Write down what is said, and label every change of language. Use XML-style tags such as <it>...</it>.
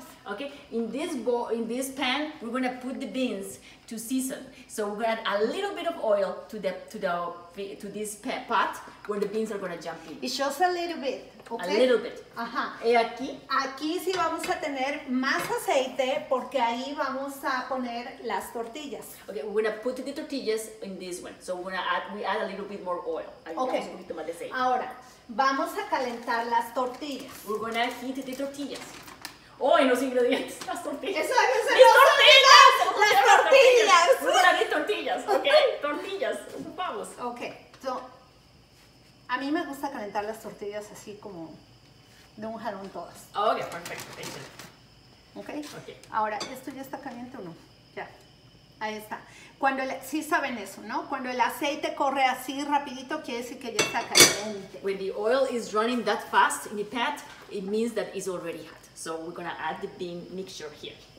<en>Okay, in this pan, we're gonna put the beans to season. So we're gonna add a little bit of oil to this pot where the beans are gonna jump in. It's just a little bit. Okay. A little bit.</en> <es>Ajá. Y aquí. Aquí sí vamos a tener más aceite porque ahí vamos a poner las tortillas.</es> <en>Okay, we're gonna put the tortillas in this one. So we add a little bit more oil. Okay.</en> <es>Un poquito más de aceite. Ahora vamos a calentar las tortillas. We're gonna heat the tortillas. Oh, y los ingredientes, las tortillas. Eso es ¡mis tortillas! ¡Las tortillas! ¡Las tortillas! Muy buenas, mis tortillas, okay. Tortillas, vamos. Ok, so, a mí me gusta calentar las tortillas así como de un jalón todas. Ok, perfecto. Okay. Ok, ahora, ¿esto ya está caliente o no? Ya, ahí está. Cuando sí saben eso, ¿no? Cuando el aceite corre así rapidito, quiere decir que ya está caliente.</es> <en>When the oil is running that fast in the pan, it means that it's already hot. So we're gonna add the bean mixture here.</en>